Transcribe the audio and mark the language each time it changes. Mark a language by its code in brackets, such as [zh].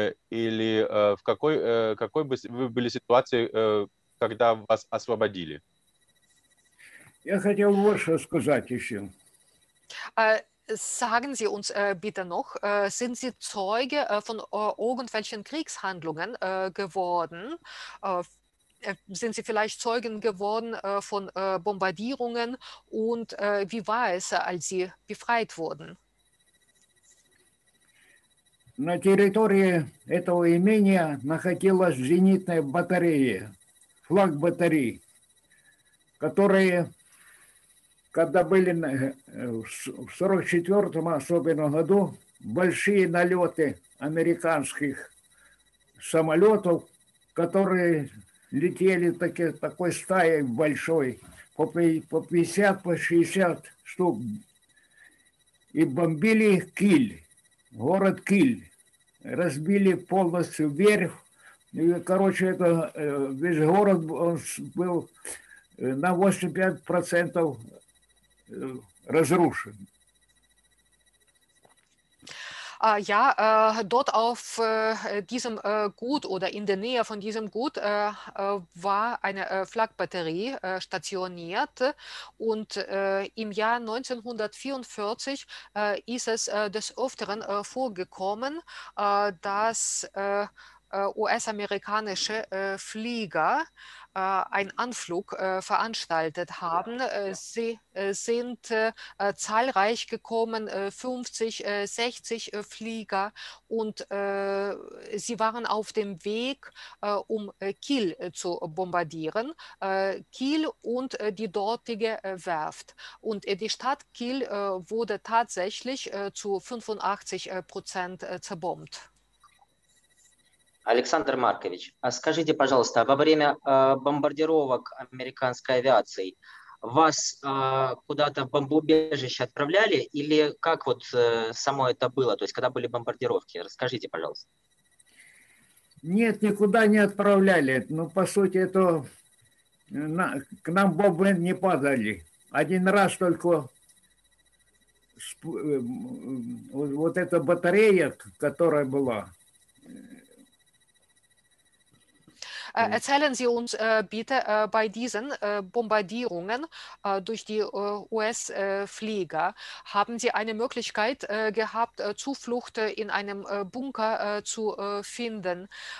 [ru] Или в какой бы вы были ситуации, когда вас освободили? Я хотел больше сказать еще. [de] Sagen Sie uns bitte noch, sind Sie Zeuge von irgendwelchen Kriegshandlungen geworden? Sind Sie vielleicht Zeugen geworden von Bombardierungen? Und wie war es, als Sie befreit wurden? [ru] На территории этого имения находилась зенитная батарея, флаг батареи, которые, когда были в 44-м особенно году, большие налеты американских самолетов, которые летели такой стаей большой, по 50, по 60 штук, и бомбили Киль, город Киль. Разбили полностью верфь. Короче, это весь город он был на 85% разрушен. [de] Ja, dort auf diesem Gut oder in der Nähe von diesem Gut war eine Flakbatterie stationiert und im Jahr 1944 ist es des Öfteren vorgekommen, dass US-amerikanische Flieger einen Anflug veranstaltet haben. Sie sind zahlreich gekommen, 50, 60 Flieger, und sie waren auf dem Weg, um Kiel zu bombardieren. Kiel und die dortige Werft. Und die Stadt Kiel wurde tatsächlich zu 85% zerbombt. [ru] Александр Маркович, а скажите, пожалуйста, во время бомбардировок американской авиацией вас куда-то в бомбоубежище отправляли, или как вот само это было, то есть когда были бомбардировки? Расскажите, пожалуйста. Нет, никуда не отправляли. Ну, по сути, это к нам бомбы не падали. Один раз только вот эта батарея, которая была... [de] Erzählen Sie uns bitte bei diesen Bombardierungen durch die US-Flieger, haben Sie eine Möglichkeit gehabt, Zuflucht in einem Bunker zu finden?